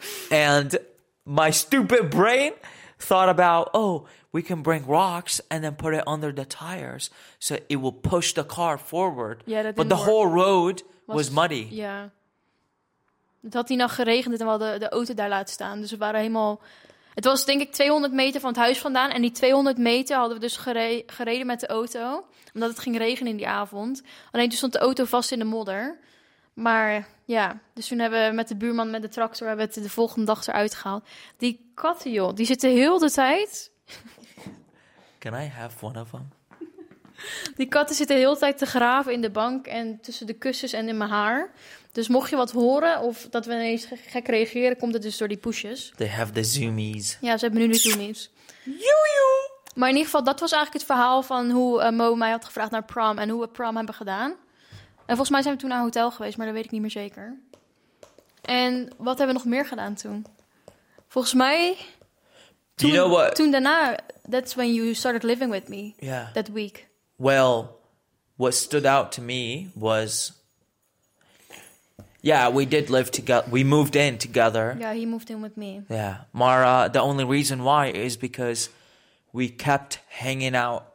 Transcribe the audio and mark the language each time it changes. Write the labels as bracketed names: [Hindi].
[English] And my stupid brain thought about, oh, we can bring rocks and then put it under the tires so it will push the car forward. Yeah, but the whole road was muddy. Yeah. [Dutch] Het had die nacht geregend en we hadden de auto daar laten staan. Dus we waren helemaal... Het was denk ik 200 meter van het huis vandaan. En die 200 meter hadden we dus gereden met de auto. Omdat het ging regenen in die avond. Alleen toen stond de auto vast in de modder. Maar ja, dus toen hebben we met de buurman met de tractor hebben het de volgende dag eruit gehaald. Die katten, joh, die zitten heel de tijd. [English] Can I have one of them? [Dutch] Die katten zitten heel de tijd te graven in de bank en tussen de kussens en in mijn haar. Dus mocht je wat horen of dat we ineens gek reageren, komt het dus door die poesjes. [English] They have the zoomies. [Dutch] Ja, ze hebben nu de zoomies. Jojo! Maar in ieder geval, dat was eigenlijk het verhaal van hoe Mo mij had gevraagd naar prom en hoe we prom hebben gedaan. En volgens mij zijn we toen naar een hotel geweest, maar dat weet ik niet meer zeker. En wat hebben we nog meer gedaan toen? Volgens mij... Toen, [English] you know what? [Dutch] Toen daarna, [English] that's when you started living with me. Yeah. That week. Well, what stood out to me was... Yeah, we did live together. We moved in together. Yeah, he moved in with me. Yeah. Mara, the only reason why is because we kept hanging out.